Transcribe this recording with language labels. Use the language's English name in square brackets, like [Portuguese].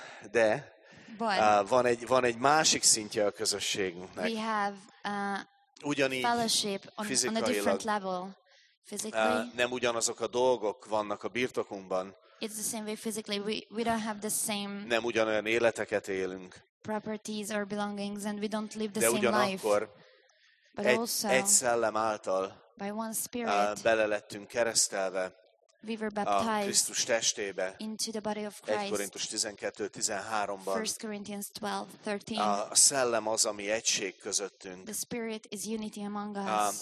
[Hungarian] De van egy másik szintje a közösségünknek. [English] We have [Hungarian] ugyanígy [English] fellowship on a different level. Physically. [Hungarian] Nem ugyanazok a dolgok vannak a birtokunkban. [English] It's the same way physically. We don't have the same. [Hungarian] Nem ugyanolyan életeket élünk. [English] Properties or belongings, and we don't live the same [Hungarian] ugyanakkor [English] life. But also, [Hungarian] egy szellem által. [English] By one spirit. [Hungarian] Bele lettünk keresztelve. [English] We were baptized. [Hungarian] A Krisztus testébe. [English] Into the body of Christ. [Hungarian] 1 Korintus 12:13. [English] 1 Corinthians 12:13. [Hungarian] A szellem az, ami egység közöttünk. [English] The spirit is unity among us.